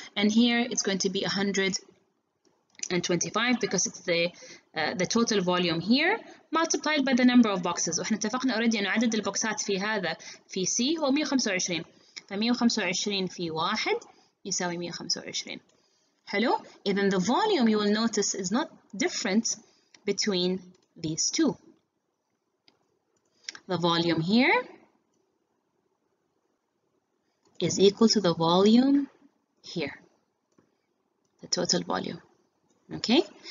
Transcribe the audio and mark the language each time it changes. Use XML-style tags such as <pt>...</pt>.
<en>And here it's going to be 125 because it's the total volume here multiplied by the number of boxes.</en> <ar>وحنا اتفقنا already أن عدد البوكسات في هذا في C هو 125. ف 125 في 1 يساوي 125. Hello?</ar> <en>Then the volume you will notice is not different between these two. The volume here is equal to the volume here, the total volume. Okay?</en>